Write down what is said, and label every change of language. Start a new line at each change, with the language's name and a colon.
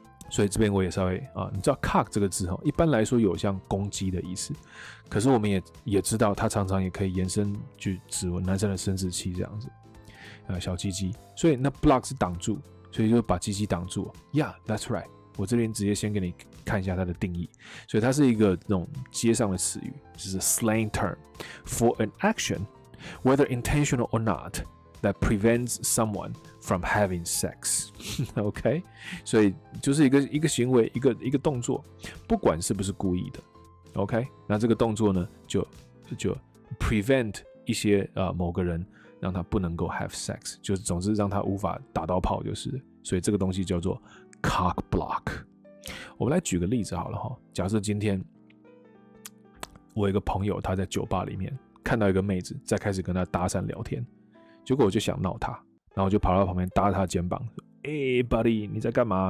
Chinese: 所以这边我也稍微你知道 cock 这个字一般来说有像攻击的意思，可是我们也知道，它常常也可以延伸去指男生的生殖器这样子，小鸡鸡，所以那 block 是挡住。” 所以就把鸡鸡挡住。
English: Yeah, that's right.
Chinese: 我这边直接先给你看一下它的定义。所以它是一个那种街上的词语，就是
English: slang term for an action, whether intentional or not, that prevents someone from having sex. OK?
Chinese: 所以就是一个行为，一个动作，不管是不是故意的。
English: OK?
Chinese: 那这个动作呢，就 prevent 一些某个人让他不能够
English: have sex，
Chinese: 就是总之让他无法打到炮，就是。所以这个东西叫做 cock block。我们来举个例子好了哈，假设今天我一个朋友他在酒吧里面看到一个妹子在开始跟他搭讪聊天，结果我就想闹他，然后我就跑到旁边搭他的肩膀，哎 ，buddy， 你在干嘛？